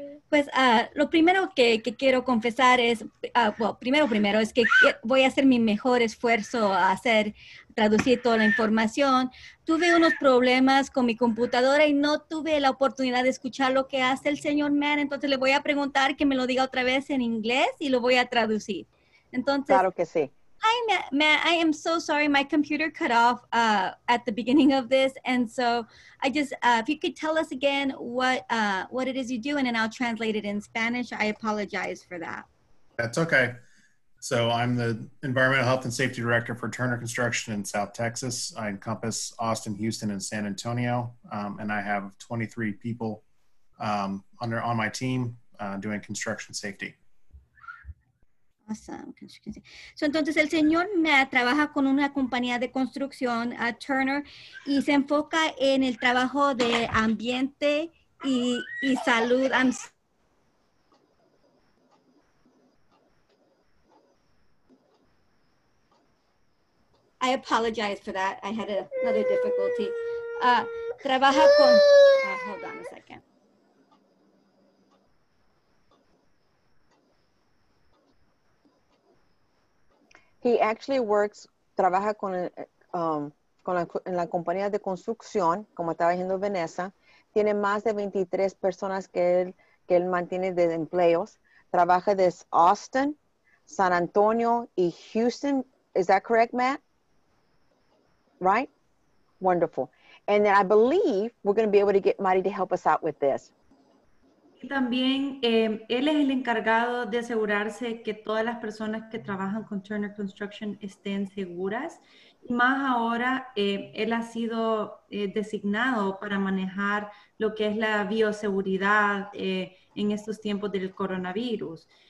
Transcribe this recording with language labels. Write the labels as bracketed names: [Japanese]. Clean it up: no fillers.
[Spanish] Pues lo primero que quiero confesar es, primero es que voy a hacer mi mejor esfuerzo a hacer, traducir toda la información. Tuve unos problemas con mi computadora y no tuve la oportunidad de escuchar lo que hace el señor Mann, entonces le voy a preguntar que me lo diga otra vez en inglés y lo voy a traducir. Entonces, claro que sí. [English] Hi, Matt, I am so sorry. My computer cut off at the beginning of this. And so I just, if you could tell us again what it is you do, and then I'll translate it in Spanish. I apologize for that. That's okay. So I'm the Environmental Health and Safety Director for Turner Construction in South Texas. I encompass Austin, Houston, and San Antonio. And I have 23 people on my team doing construction safety. Awesome. [Spanish] So, entonces el señor Matt trabaja con una compañía de construcción, Turner, y se enfoca en el trabajo de ambiente y salud. [English] I apologize for that. I had another difficulty. [Spanish] Trabaja con. [English] Hold on a second. He actually works, [Spanish] trabaja con, en la compañía de construcción, como estaba diciendo Vanessa. Tiene más de 23 personas que él mantiene de empleos. Trabaja desde Austin, San Antonio y Houston. [English] Is that correct, Matt? Right? Wonderful. And then I believe we're going to be able to get Mari to help us out with this. [Spanish] También él es el encargado de asegurarse que todas las personas que trabajan con Turner Construction estén seguras. Y más ahora, él ha sido designado para manejar lo que es la bioseguridad en estos tiempos del coronavirus.